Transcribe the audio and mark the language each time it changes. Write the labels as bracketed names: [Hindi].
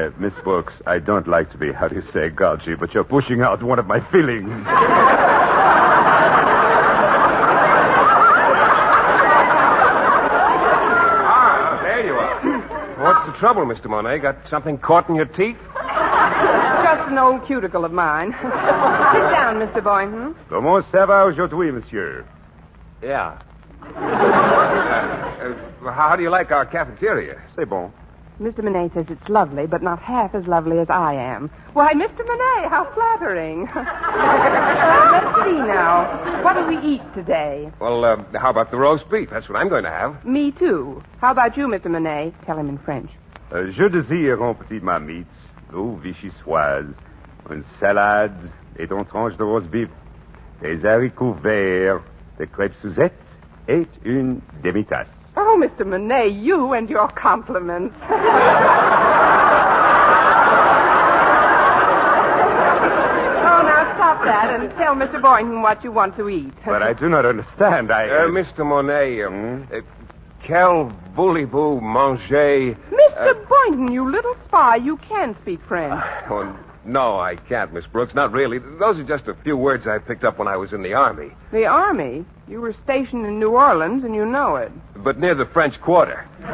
[English] Miss Brooks, I don't like to be, how do you say, gouty, but you're pushing out one of my feelings. Ah, there you are. What's the trouble, Mr. Monet? Got something caught in your teeth? Just an old cuticle of mine. Sit down, Mr. Boynton. [French] Comment ça va aujourd'hui, monsieur? [English] Yeah. How do you like our cafeteria? [French] C'est bon. [English] Mr. Monet says it's lovely, but not half as lovely as I am. Why, Mr. Monet, how flattering. Let's see now. What do we eat today? Well, how about the roast beef? That's what I'm going to have. Me too. How about you, Mr. Monet? Tell him in French. [French] Je désire un petit marmite. Oh, vichyssoise, une salade, et ton tranche de roast beef, des haricots verts, des crêpes Suzette, et une demi-tasse. [English] Oh, Mr. Monet, you and your compliments. Oh, now stop that and tell Mr. Boynton what you want to eat. But I do not understand. Mr. [French] Monet, quel voulez-vous manger? [English] Mr. Boynton, you little spy, you can speak French. No, I can't, Miss Brooks, not really. Those are just a few words I picked up when I was in the Army. The Army? You were stationed in New Orleans, and you know it. But near the French Quarter.